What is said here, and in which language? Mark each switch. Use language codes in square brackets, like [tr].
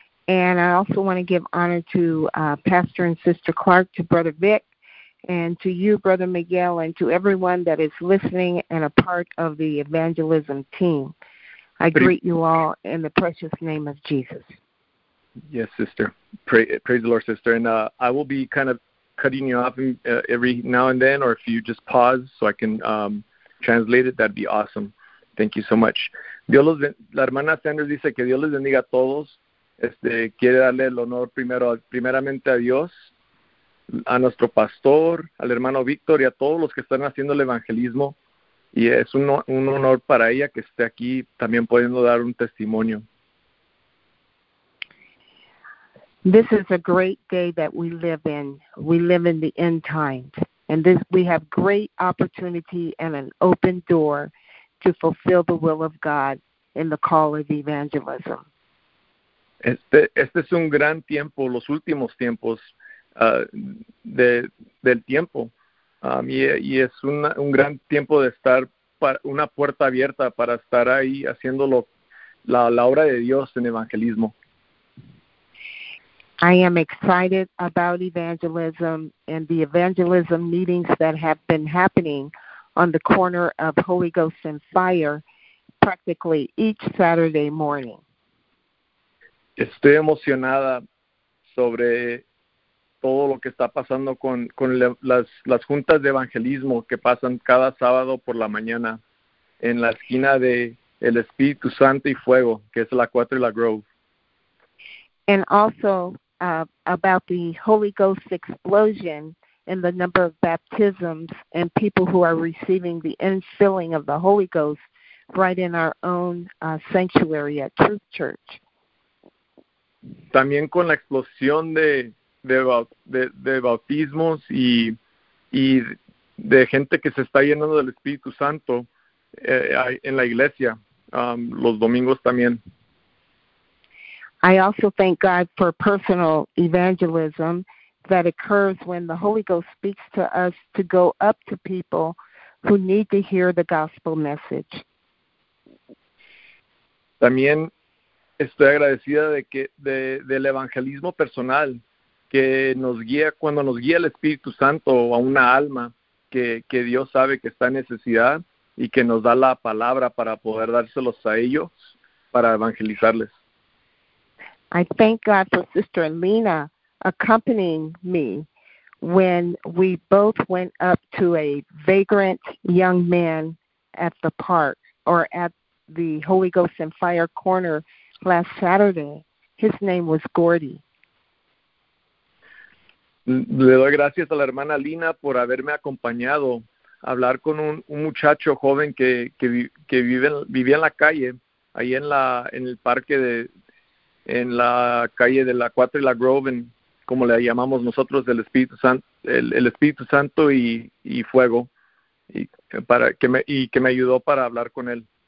[en] And I also want to give honor to Pastor and Sister Clark, to Brother Vic, and to you, Brother Miguel, and to everyone that is listening and a part of the evangelism team. I greet you all in the precious name of Jesus. Yes, sister. Praise the Lord, sister. And I will be kind of cutting you off every now and then, or if you just pause so I can translate it, that'd be awesome. Thank you so much. [es] La hermana Sanders dice que Dios les bendiga a todos. Quiere darle el honor primeramente a Dios, a nuestro pastor, al hermano Víctor y a todos los que están haciendo el evangelismo. Y es un honor para ella que esté aquí también pudiendo dar un testimonio. [en] This is a great day that we live in. We live in the end times. And this, we have great opportunity and an open door to fulfill the will of God in the call of evangelism. [es] Este es un gran tiempo, los últimos tiempos del tiempo. Y es un gran tiempo de estar una puerta abierta para estar ahí haciendo la obra de Dios en evangelismo. [en] I am excited about evangelism and the evangelism meetings that have been happening on the corner of Holy Ghost and Fire practically each Saturday morning. [es] Estoy emocionada sobre todo lo que está pasando con las juntas de evangelismo que pasan cada sábado por la mañana en la esquina de El Espíritu Santo y Fuego, que es la 4 y la Grove. [en] And also about the Holy Ghost explosion and the number of baptisms and people who are receiving the infilling of the Holy Ghost right in our own sanctuary at Truth Church. [es] También con la explosión de bautismos y de gente que se está llenando del Espíritu Santo en la iglesia los domingos también. [en] I also thank God for personal evangelism that occurs when the Holy Ghost speaks to us to go up to people who need to hear the gospel message. [es] También estoy agradecida del evangelismo personal que nos guía, cuando nos guía el Espíritu Santo a una alma que Dios sabe que está en necesidad y que nos da la palabra para poder dárselos a ellos para evangelizarles. [en] I thank God for Sister Lena accompanying me when we both went up to a vagrant young man at the park or at the Holy Ghost and Fire corner last Saturday. His name was Gordy. [es] Le doy gracias a la hermana Lina por haberme acompañado a hablar con un muchacho joven que vivía en la calle, ahí en la calle de la 4 y la Grove, como le llamamos nosotros, del Espíritu Santo, el Espíritu Santo y Fuego, y que me ayudó para hablar con él.